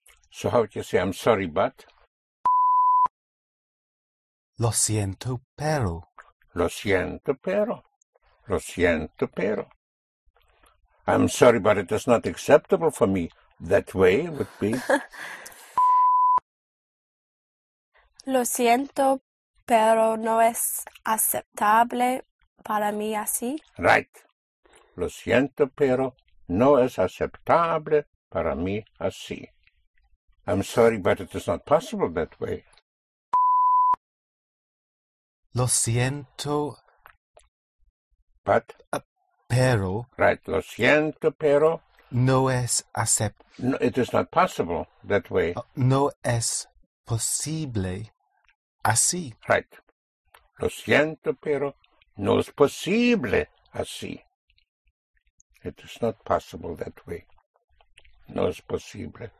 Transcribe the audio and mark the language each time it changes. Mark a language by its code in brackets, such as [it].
[en] So how would you say I'm sorry, but? [es] Lo siento, pero. Lo siento, pero. Lo siento, pero. [en] I'm sorry, but it is not acceptable for me. That way would be. [es] Lo siento, pero no es aceptable para mí así. [en] Right. [es] Lo siento, pero no es aceptable para mí así. [en] I'm sorry, but it is not possible that way. [es] Lo siento, [en] but, [es] pero, right, lo siento, pero, no es aceptable. [en] No, it is not possible that way. [es] No es posible así. Right, lo siento, pero, no es posible así. [en] It is not possible that way. [es] No es posible.